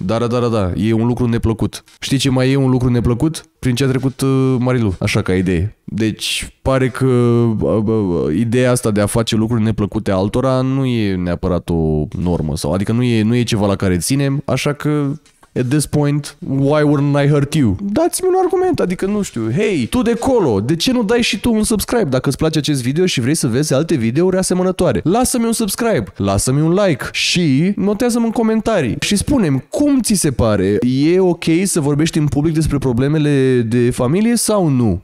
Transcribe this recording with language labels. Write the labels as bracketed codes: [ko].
[ro] Da, e un lucru neplăcut. Știi ce mai e un lucru neplăcut? Prin ce a trecut Marilu, așa ca idee. Deci, pare că ideea asta de a face lucruri neplăcute altora nu e neapărat o normă. Sau, adică nu e ceva la care ținem, așa că... [en] At this point, why wouldn't I hurt you? [ro] Dați-mi un argument, adică nu știu. Hey, tu de acolo, de ce nu dai și tu un subscribe dacă îți place acest video și vrei să vezi alte videouri asemănătoare? Lasă-mi un subscribe, lasă-mi un like și notează-mi în comentarii. Și spune-mi, cum ți se pare? E ok să vorbești în public despre problemele de familie sau nu?